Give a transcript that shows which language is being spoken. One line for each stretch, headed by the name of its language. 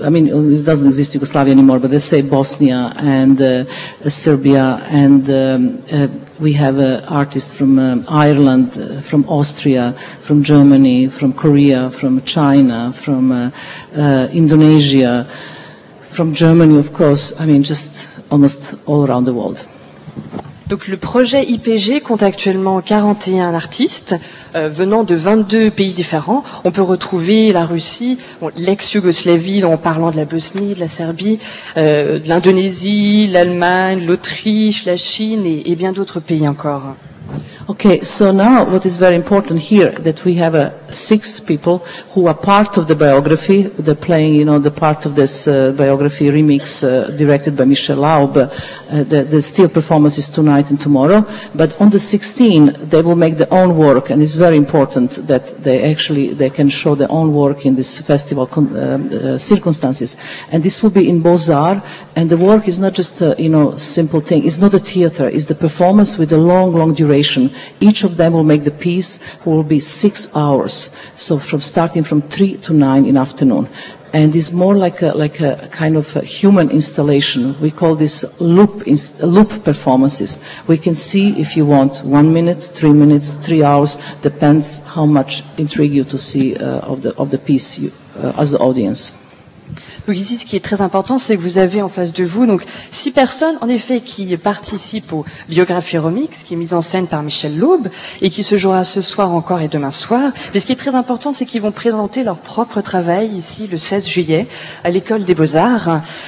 English: I mean, it doesn't exist Yugoslavia anymore, but they say Bosnia and Serbia, and we have artists from Ireland, from Austria, from Germany, from Korea, from China, from Indonesia, from Germany, of course. I mean, just almost all around the world.
French: Donc le projet IPG compte actuellement 41 artistes venant de 22 pays différents. On peut retrouver la Russie, bon, l'ex-Yougoslavie, en parlant de la Bosnie, de la Serbie, de l'Indonésie, l'Allemagne, l'Autriche, la Chine et bien d'autres pays encore.
English: Okay, so now what is very important here, that we have six people who are part of the biography. They're playing, you know, the part of this biography remix directed by Michel Laub. The steel performance is tonight and tomorrow. But on the 16th, they will make their own work, and it's very important that they can show their own work in this festival circumstances. And this will be in Beaux-Arts, and the work is not just simple thing. It's not a theater. It's the performance with a long, long duration. Each of them will make the piece, who will be 6 hours, so from starting from 3 to 9 in afternoon, and it's more like a kind of a human installation. We call this loop performances. We can see if you want 1 minute, 3 minutes, 3 hours, depends how much intrigue you to see of the piece you, as the audience.
French: Donc ici, ce qui est très important, c'est que vous avez en face de vous donc 6 personnes, en effet, qui participent au Biographie Romix, qui est mise en scène par Michel Loeb, et qui se jouera ce soir encore et demain soir. Mais ce qui est très important, c'est qu'ils vont présenter leur propre travail ici le 16 juillet à l'École des Beaux-Arts.